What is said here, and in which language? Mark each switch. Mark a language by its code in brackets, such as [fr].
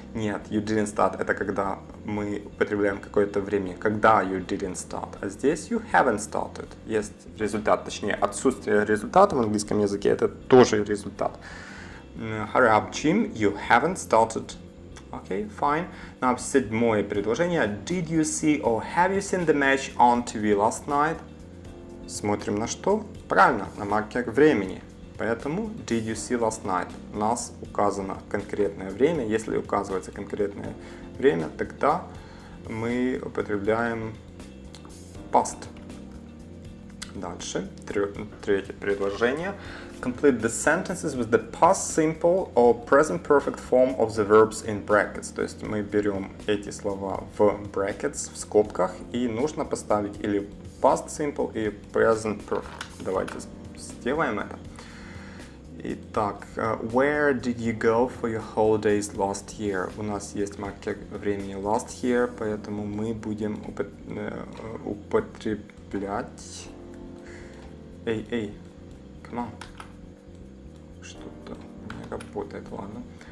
[ru] Нет, [en] you didn't start [ru] — это когда мы употребляем какое-то время. Когда [en] you didn't start. [ru] А здесь [en] you haven't started. [ru] Есть результат, точнее отсутствие результата в английском языке — это тоже результат. [en] Hurry up, Jim, you haven't started. Окей, fine. [ru] Now, седьмое предложение. [en] Did you see or have you seen the match on TV last night? [ru] Смотрим на что? Правильно, на маркер времени. [en] Поэтому did you see last night? [ru] У нас указано конкретное время. Если указывается конкретное время, тогда мы употребляем past. Дальше, третье предложение. [en] Complete the sentences with the past simple or present perfect form of the verbs in brackets. [ru] То есть мы берем эти слова в brackets, в скобках, и нужно поставить или past simple и present perfect. Давайте сделаем это. [en] Итак, where did you go for your holidays last year? [ru] У нас есть маркер времени last year, поэтому мы будем употреблять... Эй, [en] come on. [ru] Что-то не работает, ладно.